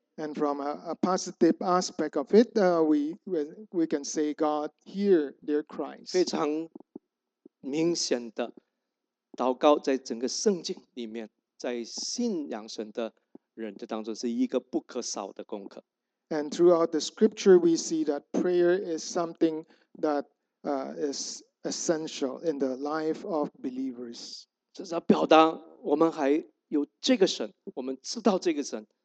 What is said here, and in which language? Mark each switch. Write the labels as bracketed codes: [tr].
[en] And from a positive aspect of it, we can say God hear their cries. [zh] 非常明显的祷告，在整个圣经里面，在信仰神的人的当中，是一个不可少的功课。 [en] And throughout the scripture, we see that prayer is something that is essential in the life of believers. [zh] 这是要表达我们还有这个神，我们知道这个神。